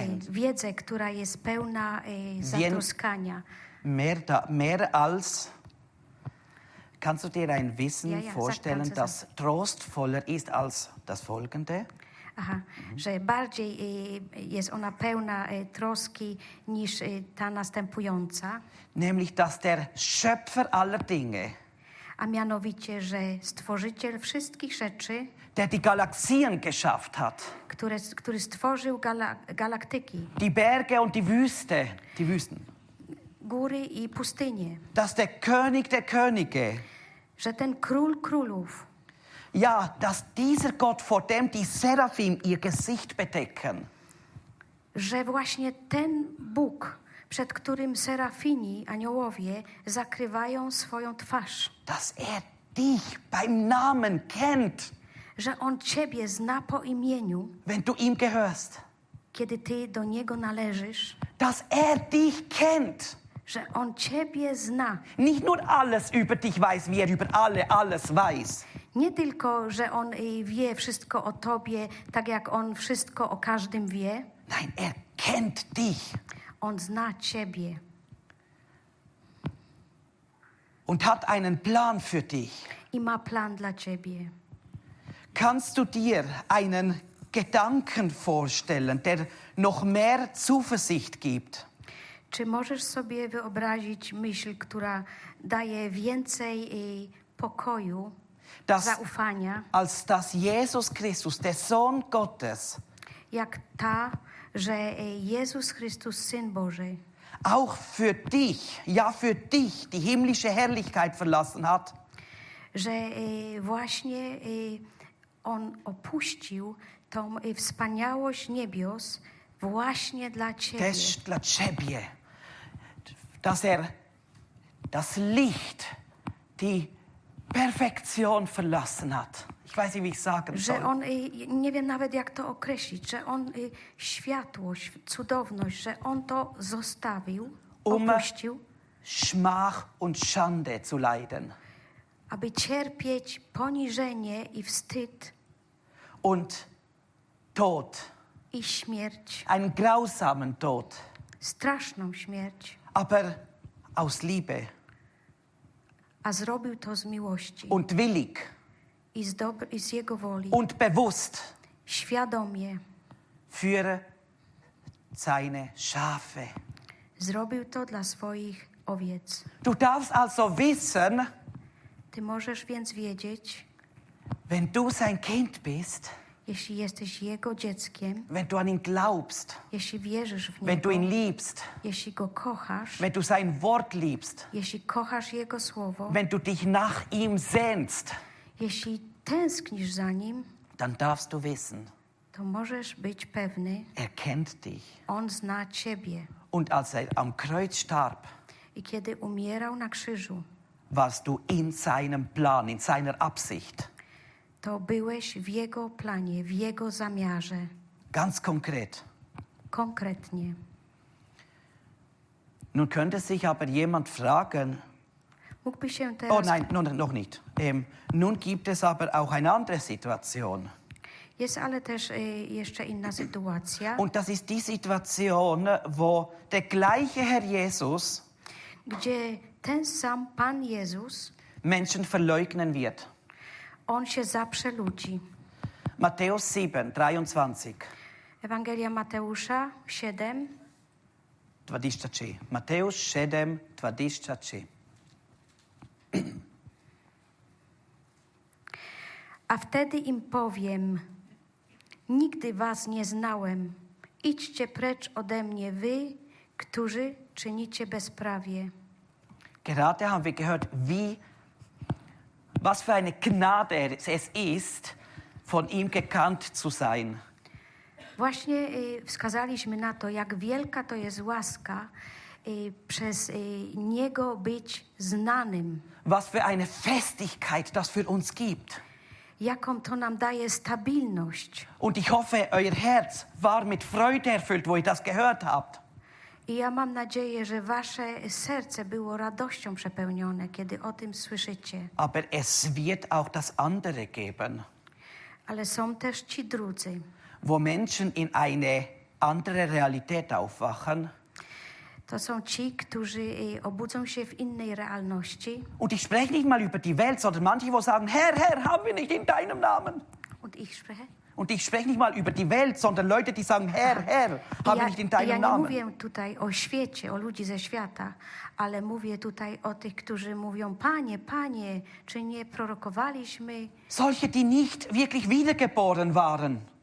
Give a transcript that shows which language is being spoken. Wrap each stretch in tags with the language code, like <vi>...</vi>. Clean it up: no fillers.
<pl>Wiedzę, która jest pełna zatroskania.</pl> <de>Mehr als kannst du dir ein Wissen vorstellen, das trostvoller ist als das folgende?</de> <pl>Aha, że bardziej jest ona pełna troski niż ta następująca.</pl> <de>Nämlich, dass der Schöpfer aller Dinge.</de> <pl>A mianowicie, że stworzyciel wszystkich rzeczy.</pl> <de>Der die Galaxien geschafft hat.</de> <pl>Który stworzył galaktyki.</pl> <de>Die Berge und die Wüste. Die Wüsten.</de> <pl>Góry i pustynie.</pl> <de>Dass der König der Könige.</de> <pl>Że ten król królów.</pl> <de>Ja, dass dieser Gott, vor dem die Seraphim ihr Gesicht bedecken.</de> <pl>Że właśnie ten Bóg, przed którym Serafini, aniołowie, zakrywają swoją twarz.</pl> <de>Dass dich beim Namen kennt.</de> <pl>Że on ciebie zna po imieniu.</pl> <de>Wenn du ihm gehörst.</de> <pl>Kiedy ty do niego należysz.</pl> <de>Dass dich kennt.</de> <pl>Że on ciebie zna.</pl> <de>Nicht nur alles über dich weiß, wie über alle alles weiß.</de> <pl>Nie tylko, że on wie wszystko o tobie, tak jak on wszystko o każdym wie.</pl> <de>Nein, kennt dich.</de> <pl>On zna ciebie.</pl> <de>Und hat einen Plan für dich.</de> <pl>I ma plan dla ciebie.</pl> <de>Kannst du dir einen Gedanken vorstellen, der noch mehr Zuversicht gibt?</de> <pl>Czy możesz sobie wyobrazić myśl, która daje więcej pokoju?</pl> <de>Das,</de> <pl>zaufania,</pl> <de>als dass Jesus Christus, der Sohn Gottes,</de> <pl>jak ta, że Jezus Chrystus, Syn Boży,</pl> <de>auch für dich, ja für dich, die himmlische Herrlichkeit verlassen hat,</de> <pl>że właśnie on opuścił tą wspaniałość niebios właśnie dla ciebie. Też dla ciebie.</pl> <de>Dass das Licht, die Perfektion verlassen hat. Ich weiß nicht, wie ich sagen soll.</de> <pl>Że on nie wiem nawet jak to określić, że on światłość, cudowność, że on to zostawił, opuścił.</pl> <de>Schmach und Schande zu leiden.</de> <pl>Aby cierpieć poniżenie i wstyd.</pl> <de>Und Tod.</de> <pl>I śmierć.</pl> <de>Einen grausamen Tod.</de> <pl>Straszną śmierć.</pl> <de>Aber aus Liebe.</de> <pl>A zrobił to z miłości.</pl> <de>Und willig.</de> <pl>I z, i z jego woli.</pl> <de>Und bewusst.</de> <pl>Świadomie.</pl> <de>Für seine Schafe.</de> <pl>Zrobił to dla swoich owiec.</pl> <de>Du darfst also wissen,</de> <pl>ty możesz więc wiedzieć,</pl> <de>wenn du sein Kind bist,</de> <pl>Jeśli jesteś jego dzieckiem,</pl> <de>wenn du an ihn glaubst,</de> <pl>jeśli wierzysz w niego,</pl> <de>wenn du ihn liebst,</de> <pl>jeśli go kochasz,</pl> <de>wenn du sein Wort liebst,</de> <pl>jeśli kochasz jego słowo,</pl> <de>wenn du dich nach ihm sehnst,</de> <pl>jeśli tęsknisz za nim,</pl> <de>dann darfst du wissen,</de> <pl>to możesz być pewny,</pl> <de>er kennt dich.</de> <pl>On zna ciebie.</pl> <de>Und als er am Kreuz starb,</de> <pl>i kiedy umierał na krzyżu,</pl> <de>warst du in seinem Plan, in seiner Absicht.</de> <pl>To byłeś w jego planie, w jego zamiarze.</pl> <de>Ganz konkret.</de> <pl>Konkretnie.</pl> <de>Nun könnte sich aber jemand fragen,</de> <pl>mógłby się teraz...</pl> <de>Oh nein, noch nicht. Nun gibt es aber auch eine andere Situation.</de> <pl>Jest ale też jeszcze inna sytuacja.</pl> <de>Und das ist die Situation, wo der gleiche Herr Jesus,</de> <pl>gdzie ten sam Pan Jezus,</pl> <de>Menschen verleugnen wird.</de> <pl>On się zaprze ludzi. Mateusz 7, 23. Ewangelia Mateusza 7, 23. Mateusz 7, 23. A wtedy im powiem: nigdy was nie znałem. Idźcie precz ode mnie, wy, którzy czynicie bezprawie.</pl> <de>Gerade haben wir gehört, wie, was für eine Gnade es ist, von ihm gekannt zu sein.</de> <pl>Właśnie wskazaliśmy na to, jak wielka to jest łaska, przez niego być znanym.</pl> <de>Was für eine Festigkeit das für uns gibt.</de> <pl>Jaką to nam daje stabilność.</pl> <de>Und ich hoffe, euer Herz war mit Freude erfüllt, wo ihr das gehört habt.</de> <pl>I ja mam nadzieję, że wasze serce było radością przepełnione, kiedy o tym słyszycie.</pl> <de>Aber es wird auch das andere geben.</de> <pl>Ale są też ci drudzy.</pl> <de>Wo Menschen in eine andere Realität aufwachen.</de> <pl>To są ci, którzy obudzą się w innej realności.</pl> <de>Und ich spreche nicht mal über die Welt, sondern manche, wo sagen, Herr, Herr, haben wir nicht in deinem Namen? Und ich spreche nicht mal über die Welt, sondern Leute, die sagen, Herr, Herr, haben wir nicht in deinem Namen?</de> <pl>Ja nie mówię tutaj o świecie, o ludzi ze świata, ale mówię tutaj o tych, którzy mówią, Panie, Panie, czy nie prorokowaliśmy?</pl> <de>Solche, die nicht wirklich wiedergeboren waren.</de>